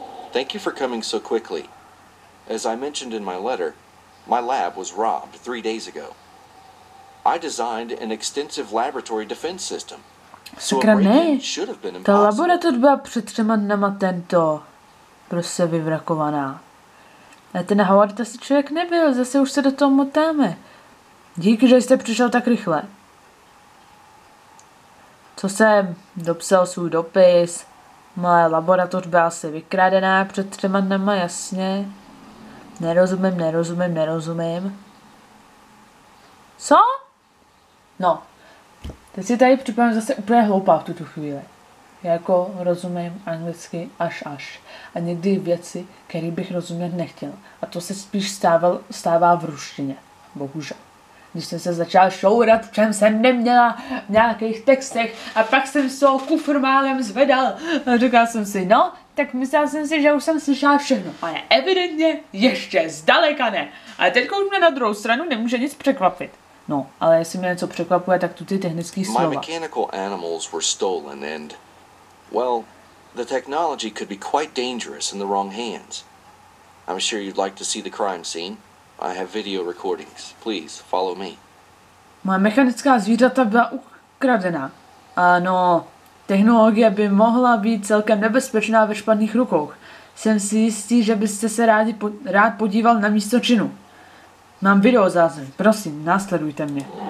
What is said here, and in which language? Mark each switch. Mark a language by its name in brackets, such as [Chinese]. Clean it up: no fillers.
[English] Thank you for coming so quickly. As I mentioned in my letter, my lab was robbed 3 days ago. I designed an extensive laboratory defense system. [Czech] Sakra ne, ta laboratoř byla před třema dnama tento, prostě vyvrakovaná. A ten Howard asi člověk nebyl, zase už se do toho motáme. Díky, že jste přišel tak rychle. Co jsem dopsal svůj dopis, moje laboratoř byla asi vykradená před třema dnama, jasně. Nerozumím. Co? No, Teď si tady připadám zase úplně hloupá v tuto chvíli. Já jako rozumím anglicky až. A někdy věci, které bych rozumět nechtěl. A to se spíš stává v ruštině. Bohužel. Když jsem se začala šourat, v čem jsem neměla v nějakých textech a pak jsem se o kufr málem zvedal a říkala jsem si, no, tak myslela jsem si, že už jsem slyšela všechno. Ale evidentně ještě zdaleka ne. Ale teďka už mě na druhou stranu nemůže nic překvapit. No, ale jestli mě něco překvapuje, tak tu ty technický slova. [English] My mechanical animals were stolen and, well, the technology could be quite dangerous in the wrong hands. I'm sure you'd like to see the crime scene. I have video recordings. Please, follow me. [Czech] Moje mechanická zvířata byla ukradená. Ano, technologie by mohla být celkem nebezpečná ve špatných rukách. Jsem si jistý, že byste se rád podíval na místo činu. Mám video záznam. Prosím, následujte mě.